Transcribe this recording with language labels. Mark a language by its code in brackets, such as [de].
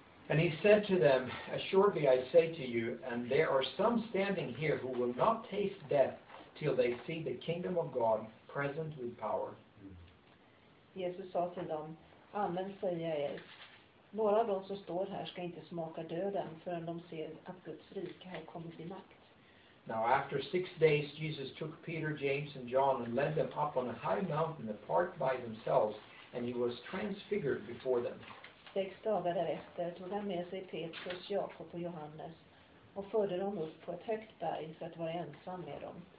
[en] And he said to them, assuredly I say to you, and there are some standing here who will not taste death till they see the kingdom of God present with power. [sv] Jesus sa till dem, amen säger jag er, några av dem som står här ska inte smaka döden förrän de ser att Guds rike har kommit i makt. [en] Now after 6 days Jesus took Peter, James and John and led them up on a high mountain apart by themselves and he was transfigured before them. [sv] 6 dagar därefter tog han med sig Petrus, Jakob och Johannes och förde dem upp på ett högt berg för att vara ensam med dem.